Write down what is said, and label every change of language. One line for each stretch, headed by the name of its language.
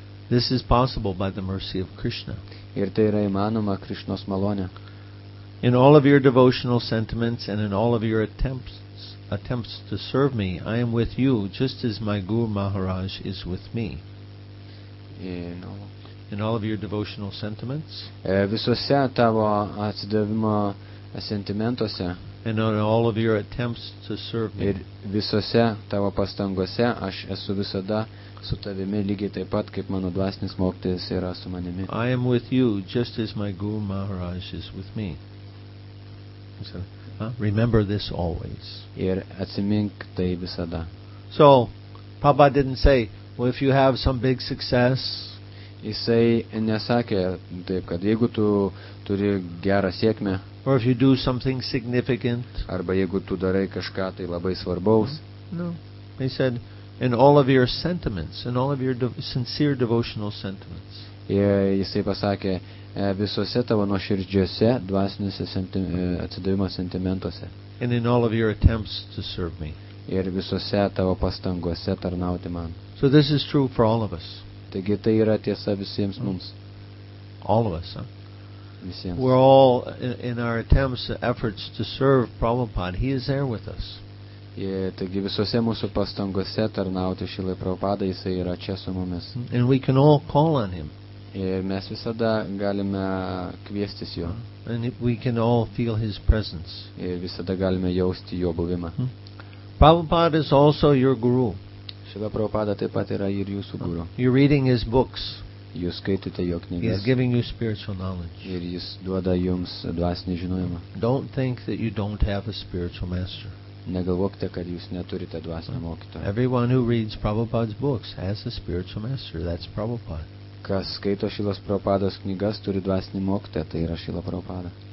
English: This is possible by the mercy of Krishna.
Lithuanian: Ir tai yra įmanoma Krišnos malonė.
English: In all of your devotional sentiments and in all of your attempts to serve me, I am with you just as my Guru Maharaj is with me. In all of your devotional sentiments,
Lithuanian: visuose tavo atsidavimo sentimentuose,
English: and on all of your attempts to serve me,
Lithuanian: ir visose tavo pastangose, aš esu visada su tavimi lygiai taip pat, kaip mano dvasinis mokytis yra su manimi.
English: I am with you just as my Guru Maharaj is with me. So, remember this always.
Lithuanian: Ir atsimink tai visada.
English: So, Prabhupada didn't say, well, if you have some big success,
Lithuanian: jisai nesakė taip, kad jeigu tu turi gerą sėkmę,
English: or if you do something significant,
Lithuanian: arba jeigu tu darai kažką tai labai svarbaus,
English: no. He said, in all of your sentiments, in all of your sincere devotional sentiments.
Lithuanian: Jisai pasakė, visuose tavo nuoširdžiuose dvasiniuose atsidavimo sentimentuose.
English: And in all of your attempts to serve me.
Lithuanian: Ir visuose tavo pastanguose tarnauti man.
English: So this is true for all of us.
Lithuanian: Taigi tai yra tiesa visiems mums.
English: All of us, huh?
Lithuanian: Visiems.
English: We're all in our attempts, efforts to serve Prabhupada. He is there with us.
Lithuanian: Taigi visuose mūsų pastanguose tarnauti Šrilai Prabhupada, jisai yra čia su mumis.
English: And we can all call on him.
Lithuanian: Ir mes visada galime kviestis jo.
English: And we can all feel his presence.
Lithuanian: Ir visada galime jausti jo buvimą.
English: Prabhupada is also your guru.
Lithuanian: Šila Prabhupada taip pat yra ir jūsų guru.
English: You're reading his books.
Lithuanian: Jūs skaitote jo knygas.
English: He's giving you spiritual knowledge.
Lithuanian: Ir jis duoda jums dvasinį žinojimą.
English: Don't think that you don't have a spiritual master.
Lithuanian: Negalvokite, kad jūs neturite dvasinio mokytojo.
English: Everyone who reads Prabhupada's books has a spiritual master. That's Prabhupada.
Lithuanian: Kas skaito Šrilos Prabhupados knygas, turi dvasinį mokytoją, tai yra Šrila Prabhupada.